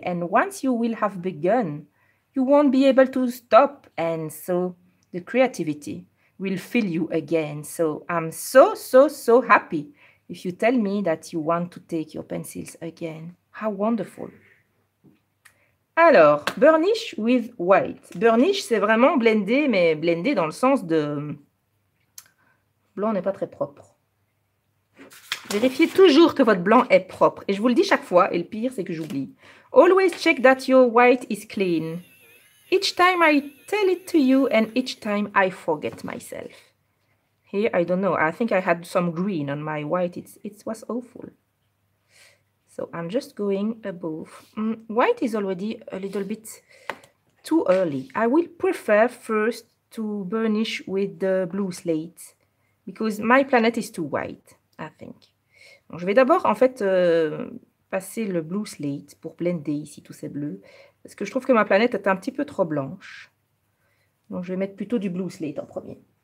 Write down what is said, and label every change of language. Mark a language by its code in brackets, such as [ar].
[en] And once you will have begun, you won't be able to stop. And so the creativity will fill you again. So I'm so, so, so happy if you tell me that you want to take your pencils again. How wonderful. Alors, burnish with white. [fr] Burnish, c'est vraiment blendé, mais blendé dans le sens de... Blanc n'est pas très propre. Vérifiez toujours que votre blanc est propre. Et je vous le dis chaque fois, et le pire, c'est que j'oublie. [en] Always check that your white is clean. Each time I tell it to you and each time I forget myself. Here, I don't know. I think I had some green on my white. It was awful. So I'm just going above. White is already a little bit too early. I will prefer first to burnish with the blue slate. Because my planet is too white, I think. [fr] Bon, je vais d'abord, en fait, passer le blue slate pour blender ici tous ces bleus. Parce que je trouve que ma planète est un petit peu trop blanche. Donc, je vais mettre plutôt du blue slate en premier.